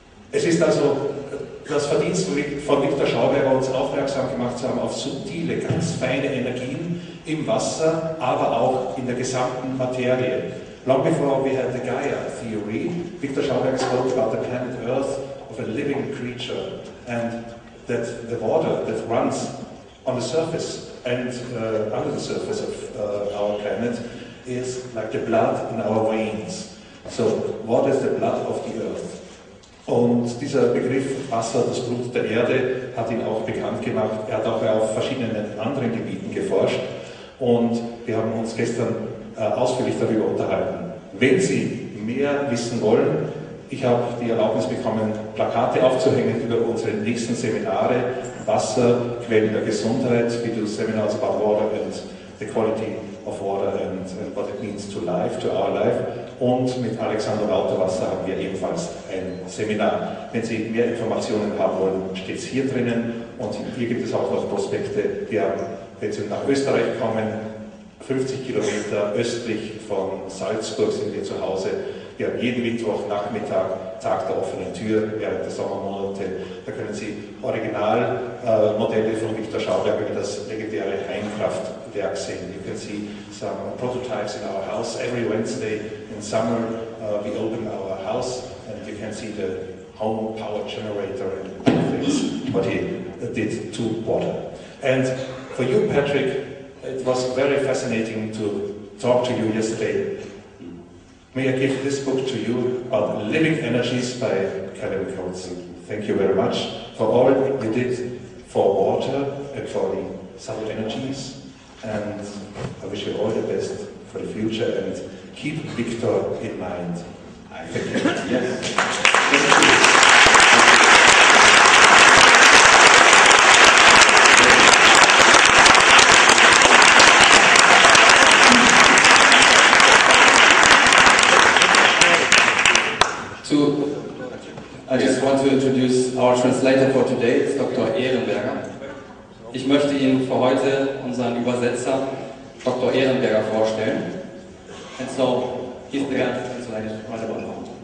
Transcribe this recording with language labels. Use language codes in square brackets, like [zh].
[de] Es ist also das Verdienst von Victor Schauberger, uns aufmerksam gemacht zu haben auf subtile, ganz feine Energien im Wasser, aber auch in der gesamten Materie. [en] Long before we had the Gaia Theory, Victor Schauberger spoke about the planet Earth of a living creature and that the water that runs on the surface and under the surface of our planet is like the blood in our veins. So, what is the blood of the Earth? [de] Und dieser Begriff Wasser, das Blut der Erde, hat ihn auch bekannt gemacht. Er hat auch auf verschiedenen anderen Gebieten geforscht. Und wir haben uns gestern ausführlich darüber unterhalten. Wenn Sie mehr wissen wollen, ich habe die Erlaubnis bekommen, Plakate aufzuhängen über unsere nächsten Seminare. Wasser, Quellen der Gesundheit, wie du [en] Seminars about water and the quality of water and what it means to life, to our life. [de] Und mit Alexander Lauterwasser haben wir ebenfalls ein Seminar. Wenn Sie mehr Informationen haben wollen, steht es hier drinnen. Und hier gibt es auch noch Prospekte. Wir haben, wenn Sie nach Österreich kommen, 50 Kilometer östlich von Salzburg sind wir zu Hause. Wir haben jeden Mittwochnachmittag, Tag der offenen Tür, während der Sommermonate. Da können Sie Originalmodelle von Victor Schauberger wie das legendäre Heimkraft Werk sehen. [en] You can see some prototypes in our house. Every Wednesday in summer we open our house and you can see the home power generator and things what he did to water. And for you, Patrick, it was very fascinating to talk to you yesterday. May I give this book to you about Living Energies by Kevin Coates. Thank you very much for all you did for water and for the solid energies. And I wish you all the best for the future and keep Victor in mind. I think yes. Yes. I just want to introduce our translator for today, it's Dr. Ehrenberger. [de] Ich möchte Ihnen für heute unseren Übersetzer, Dr. Ehrenberger, vorstellen. [en] And so, he's the guest translator right about now.